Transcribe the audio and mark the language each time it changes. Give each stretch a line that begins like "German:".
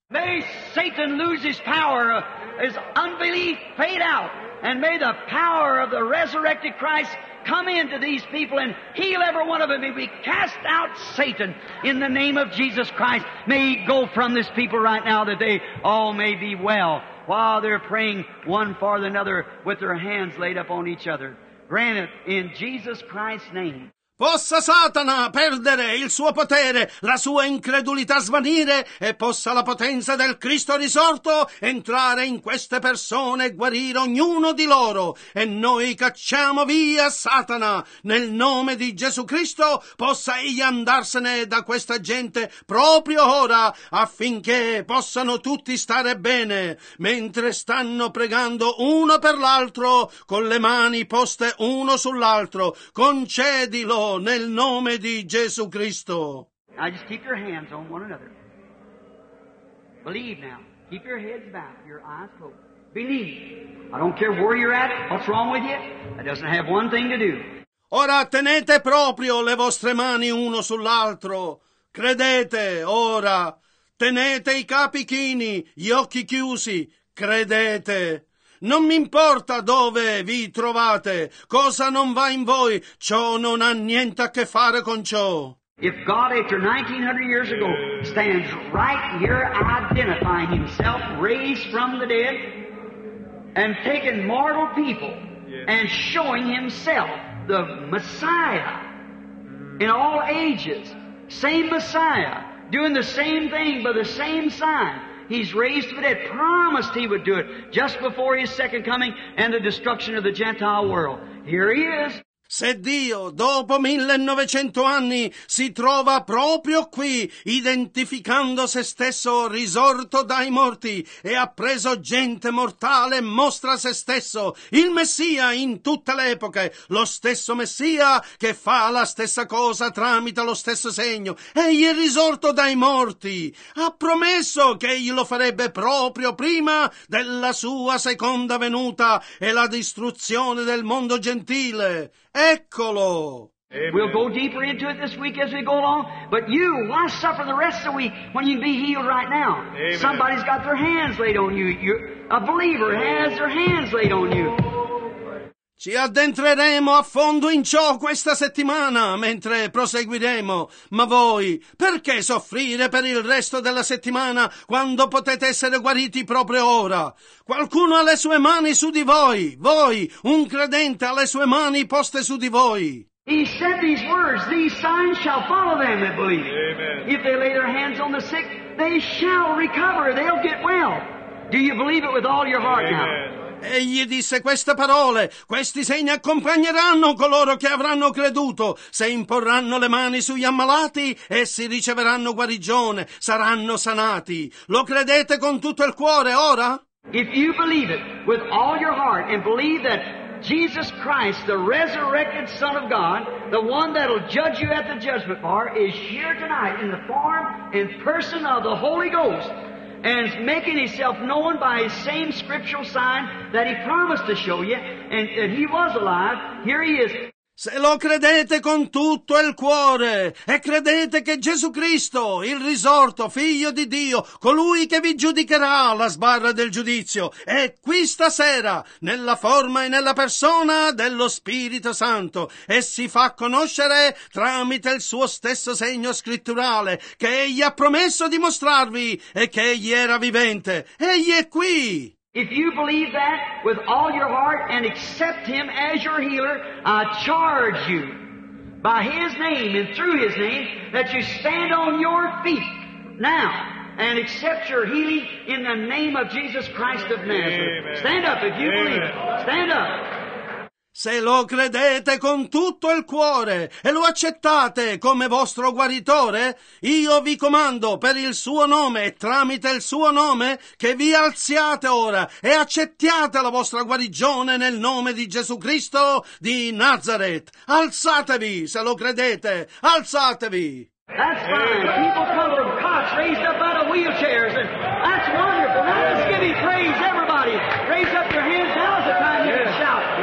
English: May Satan lose his power, his unbelief fade out. And may the power of the resurrected Christ come into these people and heal every one of them. May we cast out Satan in the name of Jesus Christ. May he go from this people right now that they all may be well while they're praying one for another with their hands laid up on each other. Grant it in Jesus Christ's name.
Italian: Possa Satana perdere il suo potere, la sua incredulità svanire, e possa la potenza del Cristo risorto entrare in queste persone e guarire ognuno di loro. E noi cacciamo via Satana, nel nome di Gesù Cristo, possa egli andarsene da questa gente proprio ora, affinché possano tutti stare bene, mentre stanno pregando uno per l'altro, con le mani poste uno sull'altro. Concedilo nel nome di Gesù Cristo.
English: Now just keep your hands on one another. Believe now. Keep your heads back, your eyes closed. Believe. I don't care where you're at, what's wrong with you. That doesn't have one thing to do.
Italian: Ora tenete proprio le vostre mani uno sull'altro. Credete ora. Tenete i capi chini, gli occhi chiusi. Credete. Non mi importa dove vi trovate, cosa non va in voi, ciò non ha niente a che fare con ciò.
English: If God, after 1900 years ago, stands right here identifying Himself, raised from the dead, and taking mortal people, and showing Himself, the Messiah, in all ages, same Messiah, doing the same thing by the same sign. He's raised from the dead, promised He would do it just before His second coming and the destruction of the Gentile world. Here He is.
Italian: Se Dio, dopo 1900 anni, si trova proprio qui, identificando se stesso risorto dai morti e ha preso gente mortale, mostra se stesso, il Messia in tutte le epoche, lo stesso Messia che fa la stessa cosa tramite lo stesso segno. Egli è risorto dai morti. Ha promesso che egli lo farebbe proprio prima della sua seconda venuta e la distruzione del mondo gentile. Eccolo.
English: Amen. We'll go deeper into it this week as we go along. But you, why suffer the rest of the week when you can be healed right now? Amen. Somebody's got their hands laid on you. A believer has their hands laid on you.
Italian: Ci addentreremo a fondo in ciò questa settimana mentre proseguiremo. Ma voi, perché soffrire per il resto della settimana quando potete essere guariti proprio ora? Qualcuno ha le sue mani su di voi. Voi, un credente, ha le sue mani poste su di voi.
English: He said these words, these signs shall follow them that believe. Amen. If they lay their hands on the sick, they shall recover. They'll get well. Do you believe it with all your heart Amen. Now?
Italian: Egli disse queste parole: questi segni accompagneranno coloro che avranno creduto. Se imporranno le mani sugli ammalati, essi riceveranno guarigione, saranno sanati. Lo credete con tutto il cuore ora?
English: If you believe it with all your heart and believe that Jesus Christ, the resurrected Son of God, the one that will judge you at the judgment bar, is here tonight in the form and person of the Holy Ghost, and is making himself known by his same scriptural sign that he promised to show you, and that he was alive, here he is.
Italian: Se lo credete con tutto il cuore e credete che Gesù Cristo, il risorto figlio di Dio, colui che vi giudicherà alla sbarra del giudizio, è qui stasera nella forma e nella persona dello Spirito Santo e si fa conoscere tramite il suo stesso segno scritturale che egli ha promesso di mostrarvi e che egli era vivente. Egli è qui!
English: If you believe that with all your heart and accept him as your healer, I charge you by his name and through his name that you stand on your feet now and accept your healing in the name of Jesus Christ of Nazareth. Amen. Stand up if you Amen. Believe it. Stand up.
Italian: Se lo credete con tutto il cuore e lo accettate come vostro guaritore, io vi comando per il suo nome e tramite il suo nome che vi alziate ora e accettiate la vostra guarigione nel nome di Gesù Cristo di Nazareth. Alzatevi se lo credete, alzatevi!
English: That's fine. People come from cots raised up out of wheelchairs. That's wonderful. Now let's give him praise, everybody. Raise up your hands. Now's the time you can shout.